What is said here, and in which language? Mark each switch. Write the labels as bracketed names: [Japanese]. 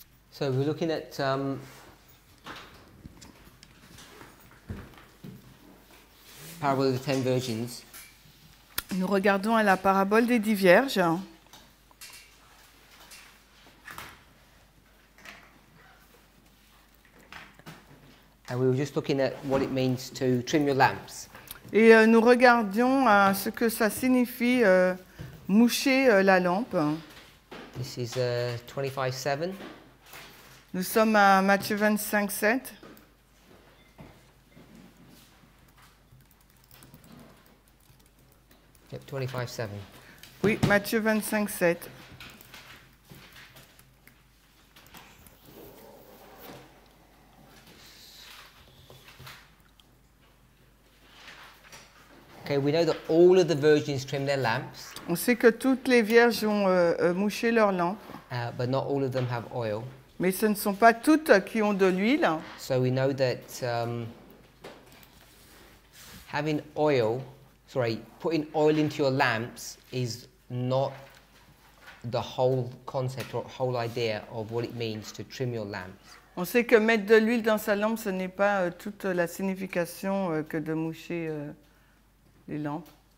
[English] So we're looking at parable of the ten virgins. [French] Nous regardons à la parabole des 10 vierges. [English] And we were just looking at what it means to trim your lamps. [French] Et nous regardions à ce que ça signifie moucher la lampe. [English] This is 25:7. [French] Nous sommes à Matthieu 25:7. [English] Yep, 25:7. [French] Oui, Matthieu 25:7. [English] Okay, we know that all of the virgins trimmed their lamps. [French] On sait que toutes les vierges ont mouché leurs lampes. [English] But not all of them have oil. [French] Mais ce ne sont pas toutes qui ont de l'huile. [English] So we know that having oil, putting oil into your lamps is not the whole concept or whole idea of what it means to trim your lamps. [French] On sait que mettre de l'huile dans sa lampe, ce n'est pas toute la signification que de moucher les lampes.